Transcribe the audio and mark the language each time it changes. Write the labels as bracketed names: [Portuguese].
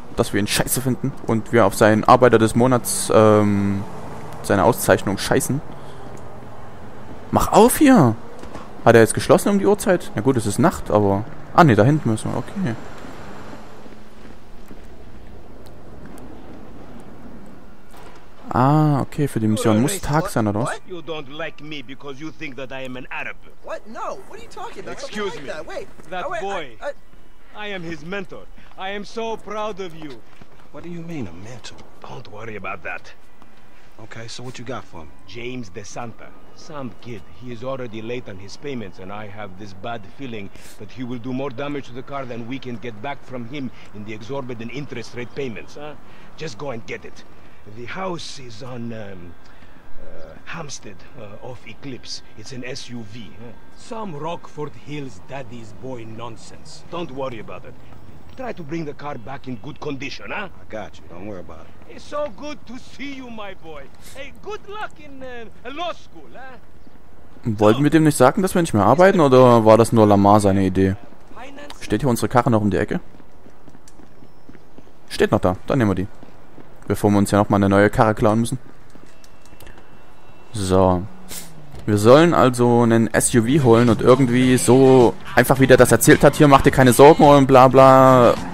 [German] Dass wir ihn scheiße finden und wir auf seinen Arbeiter des Monats seine Auszeichnung scheißen. Mach auf hier! Hat er jetzt geschlossen um die Uhrzeit? Na gut, es ist Nacht, aber... Ah ne, da hinten müssen wir. Okay. Ah, okay, für die Mission muss Tag sein, oder was? [English] You don't like me because you think that I am an Arab. What? No, what are you talking about? Excuse me. That boy. I am his mentor. I am so proud of you. What do you mean, a mentor? Don't worry about that. Okay, so what you got for him? James DeSanta. Some kid. He is already late on his payments, and I have this bad feeling that he will do more damage to the car than we can get back from him in the exorbitant interest rate payments, huh? Just go and get it. The house is on Hampstead, off Eclipse. It's an SUV. Some Rockford Hills daddy's boy nonsense. Don't worry about it. Try to bring the car back in good condition, huh? I got you. Don't worry about it. It's so good to see you, my boy. Hey, good luck in law school, huh? [German] Wollten wir dem nicht sagen, dass wir nicht mehr arbeiten, oder war das nur Lamar seine Idee? Steht hier unsere Karre noch um die Ecke? Steht noch da, dann nehmen wir die. Bevor wir uns ja nochmal eine neue Karre klauen müssen. So. Wir sollen also einen SUV holen und irgendwie so, einfach wie der das erzählt hat, hier macht ihr keine Sorgen und bla bla.